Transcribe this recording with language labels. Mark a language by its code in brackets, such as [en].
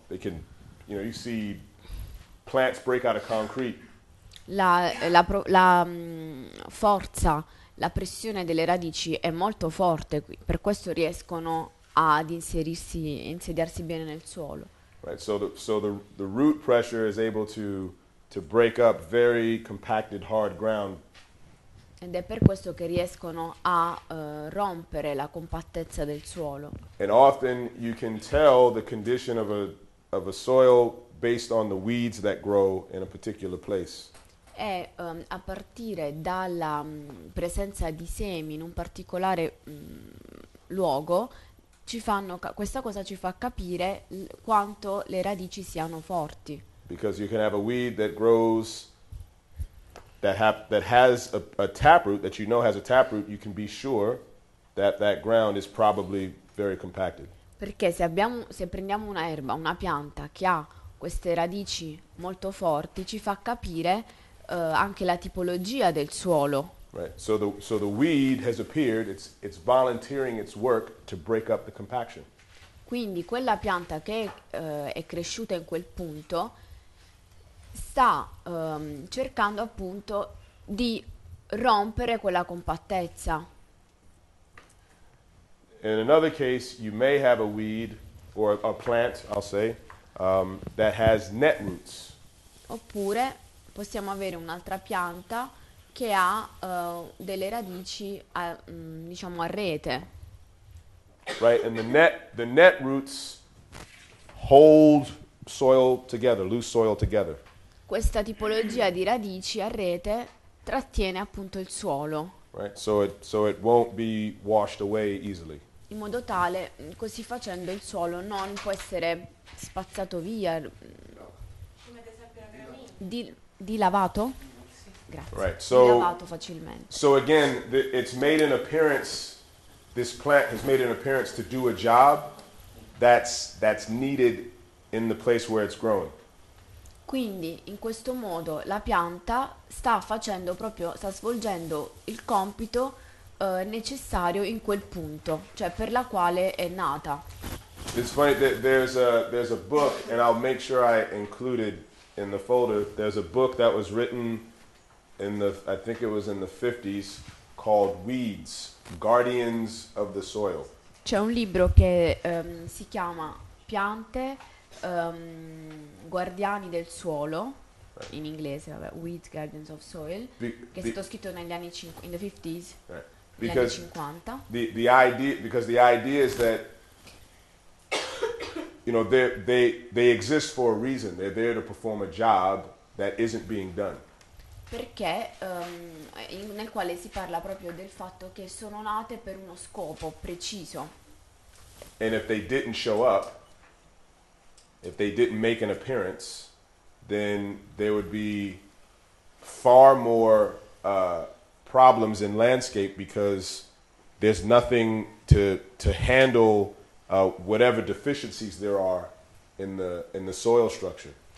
[en] They can, you know, you see plants break out of concrete. [it] La forza. La pressione delle radici è molto forte, per questo riescono ad inserirsi e insediarsi bene nel suolo. [en] Right, so the root pressure is able to break up very compacted hard ground. [it] Ed è per questo che riescono a rompere la compattezza del suolo. [en] And often you can tell the condition of a soil based on the weeds that grow in a particular place. [it] E a partire dalla presenza di semi in un particolare luogo, questa cosa ci fa capire quanto le radici siano forti. [en] Because you can have a weed that grows that has a taproot that you know has a taproot, you can be sure that that ground is probably very compacted. [it] Perché se prendiamo una erba, una pianta che ha queste radici molto forti, ci fa capire anche la tipologia del suolo. [en] Right. So the weed has appeared. It's volunteering its work to break up the compaction. [it] Quindi quella pianta che è cresciuta in quel punto sta cercando appunto di rompere quella compattezza. [en] In another case, you may have a weed or a plant, I'll say, that has net roots. [it] Oppure possiamo avere un'altra pianta che ha delle radici diciamo a rete. [en] Right, and the net roots hold soil together, loose soil together. [it] Questa tipologia di radici a rete trattiene appunto il suolo. [en] Right, so it won't be washed away easily. [it] In modo tale, così facendo, il suolo non può essere spazzato via. Come ad esempio la Dilavato? Grazie. [en] Right. So, [it] dilavato facilmente. [en] So again, it's made an appearance, this plant has made an appearance to do a job that's needed in the place where it's growing. [it] Quindi, in questo modo, la pianta sta svolgendo il compito necessario in quel punto, cioè per la quale è nata. [en] It's funny that there's a book, and I'll make sure I include it in the folder. There's a book that was written in the 50s called Weeds, Guardians of the Soil. [it] C'è un libro che si chiama Piante, Guardiani del Suolo, [en] right. [it] In inglese, vabbè, Weeds, Guardians of Soil, che è stato scritto negli anni 50, [en] in the 50s. Right. Because [it] anni 50. [en] The idea is that you know they exist for a reason. They're there to perform a job that isn't being done. [it] Perché nel quale si parla proprio del fatto che sono nate per uno scopo preciso. [en] And if they didn't show up, if they didn't make an appearance, then there would be far more problems in landscape because there's nothing to handle whatever deficiencies there are in the soil structure.